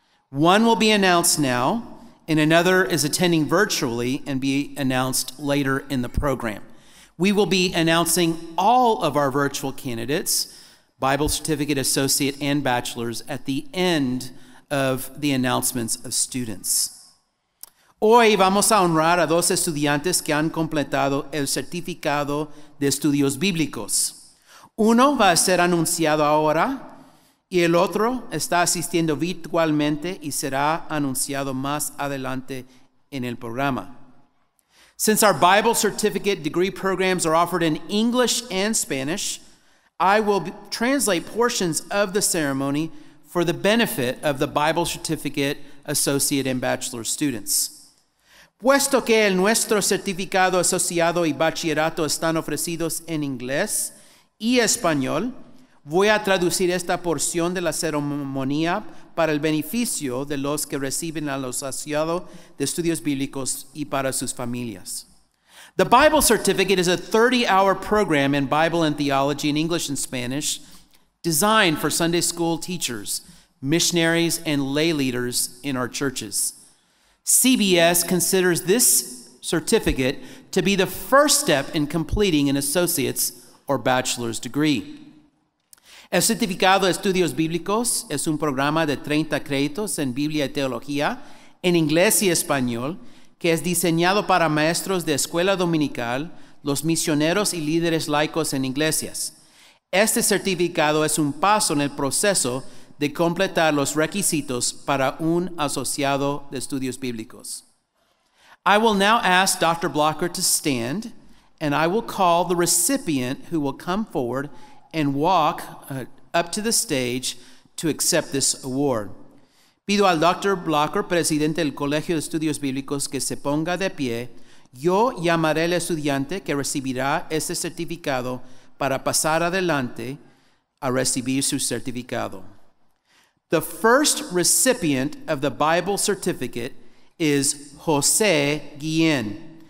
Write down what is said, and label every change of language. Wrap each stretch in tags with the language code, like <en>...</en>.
<en>One will be announced now, and another is attending virtually and be announced later in the program. We will be announcing all of our virtual candidates, Bible certificate, associate, and bachelor's, at the end of the announcements of students.</en> <es>Hoy vamos a honrar a dos estudiantes que han completado el certificado de estudios bíblicos. Uno va a ser anunciado ahora, y el otro está asistiendo virtualmente y será anunciado más adelante en el programa.</es> <en>Since our Bible certificate degree programs are offered in English and Spanish, I will translate portions of the ceremony for the benefit of the Bible certificate associate and bachelor students.</en> <es>Puesto que el nuestro certificado asociado y bachillerato están ofrecidos en inglés y español, voy a traducir esta porción de la ceremonia para el beneficio de los que reciben a los asociados de estudios bíblicos y para sus familias.</es> <en>The Bible Certificate is a 30-hour program in Bible and Theology in English and Spanish designed for Sunday school teachers, missionaries, and lay leaders in our churches. CBS considers this certificate to be the first step in completing an associate's or bachelor's degree.</en> <es>El Certificado de Estudios Bíblicos es un programa de 30 créditos en Biblia y Teología en inglés y español que es diseñado para maestros de escuela dominical, los misioneros y líderes laicos en iglesias. Este certificado es un paso en el proceso de completar los requisitos para un asociado de estudios bíblicos.</es> <en>I will now ask Dr. Blocker to stand, and I will call the recipient who will come forward and walk up to the stage to accept this award.</en> <es>Pido al Dr. Blocker, presidente del Colegio de Estudios Bíblicos, que se ponga de pie. Yo llamaré al estudiante que recibirá este certificado para pasar adelante a recibir su certificado.</es> <en>The first recipient of the Bible certificate is José Guillén.</en>